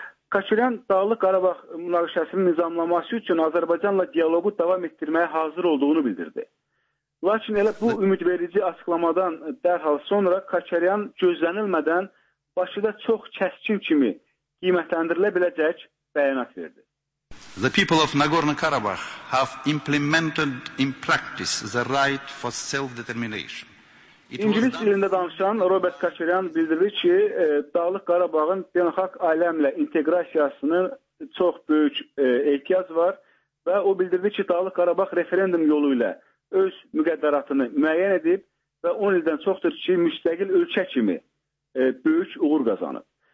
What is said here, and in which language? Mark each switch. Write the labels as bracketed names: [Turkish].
[Azerbaijani] Kaçıran Dağlı Qarabağ münaqişəsinin nizamlaması üçün Azərbaycanla diyaloğu davam etdirməyə hazır olduğunu bildirdi. Lakin elə bu ümidverici açıqlamadan dərhal sonra Kaçaryan gözlənilmədən Bakıda çox kəskin kimi qiymətləndirilə biləcək bəyanat verdi. [English] The people of Nagorno-Karabakh have implemented in practice the right for self-determination. [Azerbaijani] İngiliz dilinde danışan Robert Kaçaryan bildirir ki, Dağlıq Qarabağın beynəlxalq aləmlə inteqrasiyasını çox böyük ehtiyac var və o bildirdi ki, Dağlıq Qarabağ referendum yolu ilə öz müqəddəratını müəyyən edib və 10 ildən çoxdur ki, müstəqil ölkə kimi böyük uğur qazanıb.